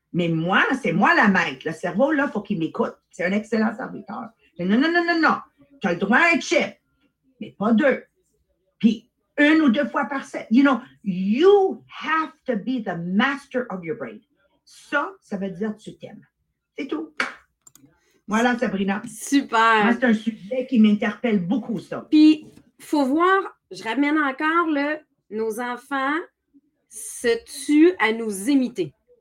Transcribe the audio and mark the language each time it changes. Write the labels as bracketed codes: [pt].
[fr] Mais moi, c'est moi la maître. Le cerveau, là, il faut qu'il m'écoute. C'est un excellent serviteur. Mais non, non, non, non, non. Tu as le droit à un chip, mais pas deux. Puis, une ou deux fois par semaine. [en] You know, you have to be the master of your brain. [fr] Ça, ça veut dire tu t'aimes. C'est tout. Voilà, Sabrina. Super. Moi, c'est un sujet qui m'interpelle beaucoup, ça. Puis, il faut voir, je ramène encore, là, nos enfants se tuent à nous imiter.